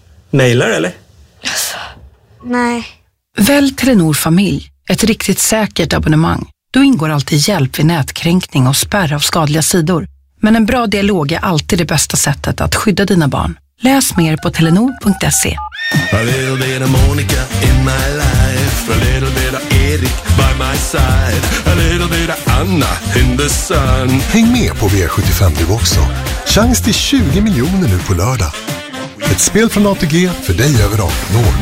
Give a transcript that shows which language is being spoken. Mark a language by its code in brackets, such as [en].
[sv] Mailar eller? Alltså, nej. Välj Telenor familj. Ett riktigt säkert abonnemang. Då ingår alltid hjälp vid nätkränkning och spärr av skadliga sidor. Men en bra dialog är alltid det bästa sättet att skydda dina barn. Läs mer på telenor.se. [en] A little bit of Monica in my life. A little bit of Erik by my side. A little bit of Anna in the sun. [sv] Häng med på V75 du också. Chans till 20 miljoner nu på lördag. Ett spel från ATG för dig över 18 år.